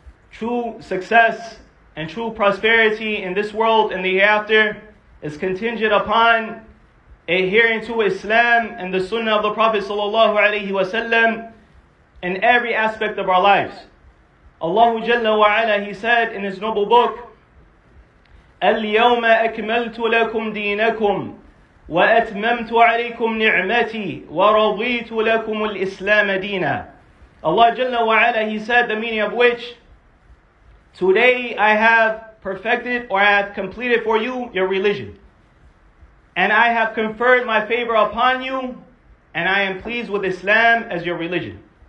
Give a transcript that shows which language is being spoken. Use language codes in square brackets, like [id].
[en] True success and true prosperity in this world and the hereafter is contingent upon adhering to Islam and the Sunnah of the Prophet sallallahu alayhi wa sallam in every aspect of our lives. [ar] Allahu Jalla wa Ala, [en] He said in His noble book, [ar] اليوم أكملت لكم دينكم وأتممت عليكم نعمتي ورضيت لكم الإسلام دينا. [en] Allah Jalla wa Ala, He said, the meaning of which, today I have perfected or I have completed for you your religion. And I have conferred my favor upon you and I am pleased with Islam as your religion.